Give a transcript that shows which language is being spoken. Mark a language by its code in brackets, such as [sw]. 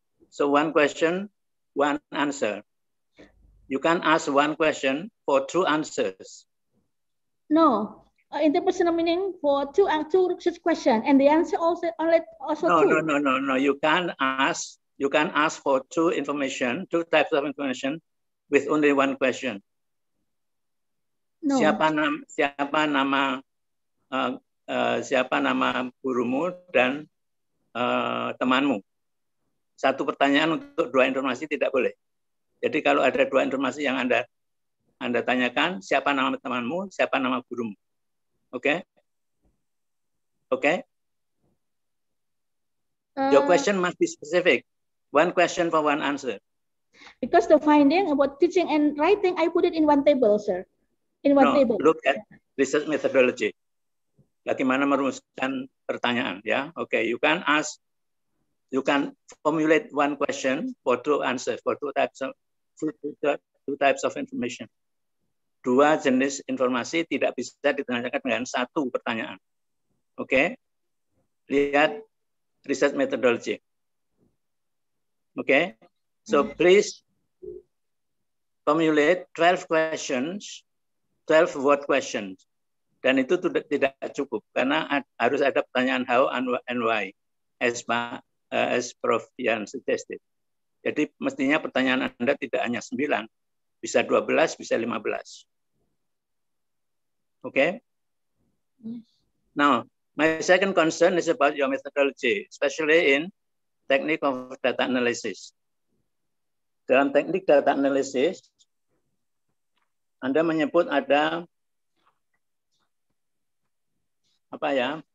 [en] So 1 question, 1 answer. You can't ask 1 question for 2 answers. No, interpersonal meaning for two and two research question, and the answer also only also no, two. No. You can ask. You can ask for two information, two types of information, with only one question. No. [id] Siapa nama gurumu dan temanmu? Satu pertanyaan untuk dua informasi tidak boleh. Jadi kalau ada dua informasi yang Anda tanyakan, siapa nama temanmu, siapa nama gurumu. [en] Okay? Your question must be specific. One question for one answer. Because the finding about teaching and writing, I put it in one table, sir. In one table. Look at research methodology. [id] Bagaimana merumuskan pertanyaan, ya? [en] Okay, you can ask, you can formulate one question for two answers, for two types of information. [id] Dua jenis informasi tidak bisa ditanyakan dengan satu pertanyaan. [en] Okay? Lihat research methodology. Okay? So please formulate 12 questions, 12 word questions. [id] Dan itu tidak cukup karena harus ada pertanyaan [en] how and why as Prof. Yan suggested. [id] Jadi mestinya pertanyaan Anda tidak hanya 9, bisa 12, bisa 15. [en] Okay? Yes. Now, my second concern is about your methodology, especially in technique of data analysis. [id] Dalam teknik data analysis, Anda menyebut ada apa ya?